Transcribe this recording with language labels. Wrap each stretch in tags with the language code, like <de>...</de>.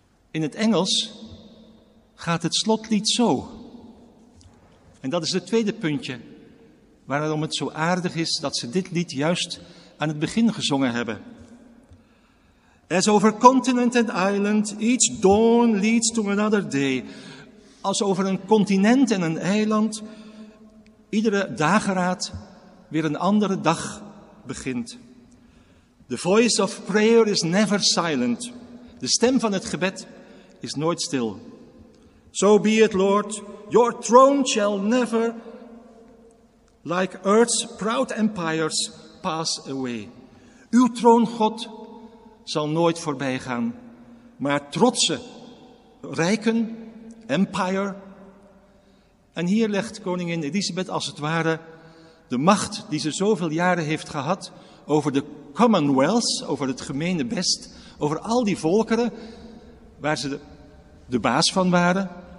<nl>In het Engels gaat het slotlied zo. En dat is het tweede puntje waarom het zo aardig is dat ze dit lied juist aan het begin gezongen hebben.</nl> <en>As over continent and island, each dawn leads to another day.</en> <nl>Als over een continent en een eiland iedere dageraad weer een andere dag begint.</nl> <en>The voice of prayer is never silent.</en> <nl>De stem van het gebed is nooit stil.</nl> <en>So be it, Lord, your throne shall never, like earth's proud empires, pass away.</en> <nl>Uw troon, God, zal nooit voorbij gaan, maar trotse rijken, empire. En hier legt koningin Elisabeth als het ware de macht die ze zoveel jaren heeft gehad over de commonwealth, over het gemene best, over al die volkeren waar ze de baas van waren.</nl>